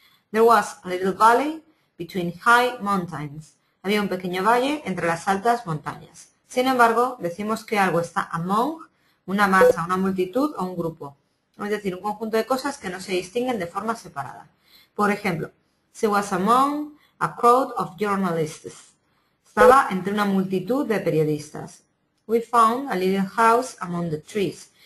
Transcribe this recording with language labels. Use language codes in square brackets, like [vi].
[en] There was a little valley between high mountains. [es] Había un pequeño valle entre las altas montañas. Sin embargo, decimos que algo está among, una masa, una multitud o un grupo. Es decir, un conjunto de cosas que no se distinguen de forma separada. Por ejemplo, [en] she was among a crowd of journalists. [es] Estaba entre una multitud de periodistas. [en] We found a little house among the trees.